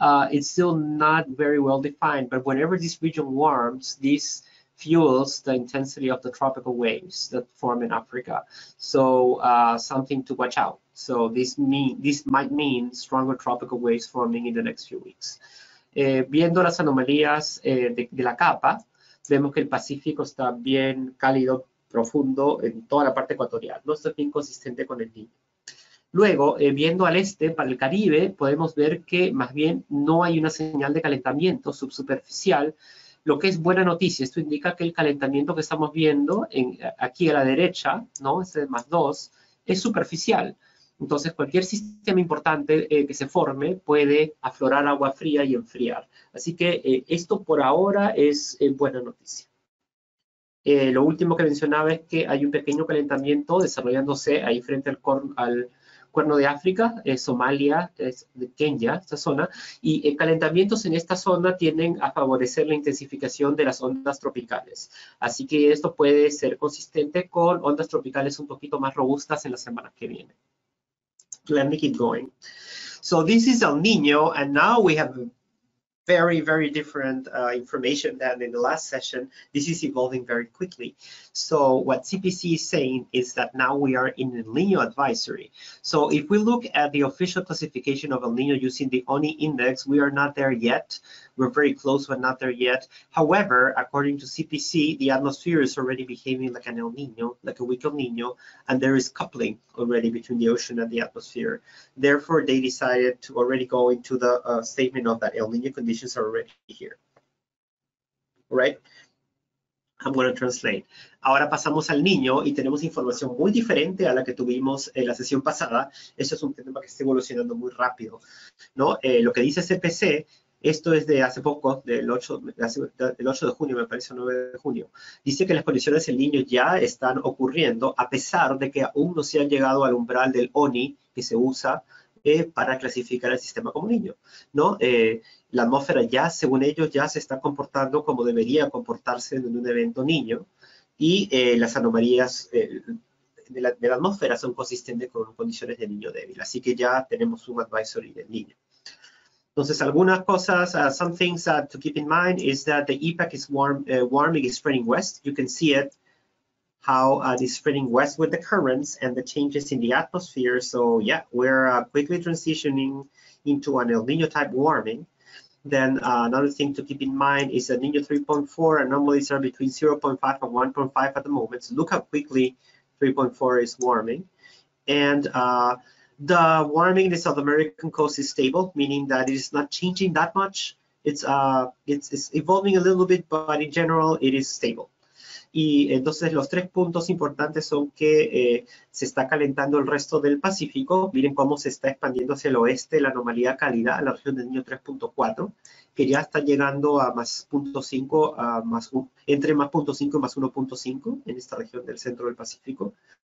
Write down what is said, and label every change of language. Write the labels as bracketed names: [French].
[English] It's still not very well defined, but whenever this region warms, this fuels the intensity of the tropical waves that form in Africa. So something to watch out. So this might mean stronger tropical waves forming in the next few weeks. [Spanish] Viendo las anomalías de la capa, vemos que el Pacífico está bien cálido, profundo en toda la parte ecuatorial. No está bien consistente con el Niño. Luego, viendo al este, para el Caribe, podemos ver que más bien no hay una señal de calentamiento subsuperficial. Lo que es buena noticia, esto indica que el calentamiento que estamos viendo aquí a la derecha, ¿no? Este de más 2, es superficial. Entonces, cualquier sistema importante que se forme puede aflorar agua fría y enfriar. Así que esto por ahora es buena noticia. Lo último que mencionaba es que hay un pequeño calentamiento desarrollándose ahí frente al Cuerno de África, Somalia, Kenia, esta zona, y calentamientos en esta zona tienden a favorecer la intensificación de las ondas tropicales. Así que esto puede ser consistente con ondas tropicales un poquito más robustas en las semanas que vienen. [English] Let me keep going. So this is El Niño, and now we have very, very different information than in the last session. This is evolving very quickly. So what CPC is saying is that now we are in El Niño advisory. So if we look at the official classification of El Niño using the ONI index, we are not there yet. We're very close, but not there yet. However, according to CPC, the atmosphere is already behaving like an El Niño, like a weak El Niño, and there is coupling already between the ocean and the atmosphere. Therefore, they decided to already go into the statement of that El Niño conditions are already here. All right? I'm going to translate. [Spanish] Ahora pasamos al niño y tenemos información muy diferente a la que tuvimos en la sesión pasada. Esto es un tema que está evolucionando muy rápido, ¿no? Lo que dice CPC, esto es de hace poco, del 8 de junio, me parece, 9 de junio. Dice que las condiciones del niño ya están ocurriendo, a pesar de que aún no se han llegado al umbral del ONI, que se usa para clasificar el sistema como niño, ¿no? La atmósfera ya, según ellos, ya se está comportando como debería comportarse en un evento niño, y las anomalías de la atmósfera son consistentes con condiciones de niño débil. Así que ya tenemos un advisory del niño. Entonces, algunas cosas, [English] some things to keep in mind is that the EPAC is warming is spreading west. You can see it, how it is spreading west with the currents and the changes in the atmosphere. So, yeah, we're quickly transitioning into an El Niño type warming. Then another thing to keep in mind is that Niño 3.4 anomalies are between 0.5 and 1.5 at the moment. So look how quickly 3.4 is warming. The warming in the South American coast is stable, meaning that it is not changing that much. It's evolving a little bit, but in general, it is stable. [Spanish] Y entonces los tres puntos importantes son que se está calentando el resto del Pacífico. Miren cómo se está expandiendo hacia el oeste la anomalía cálida a la región del Niño 3.4, que ya está llegando a más 0.5, entre más 0.5 y más 1.5 en esta región del centro del Pacífico.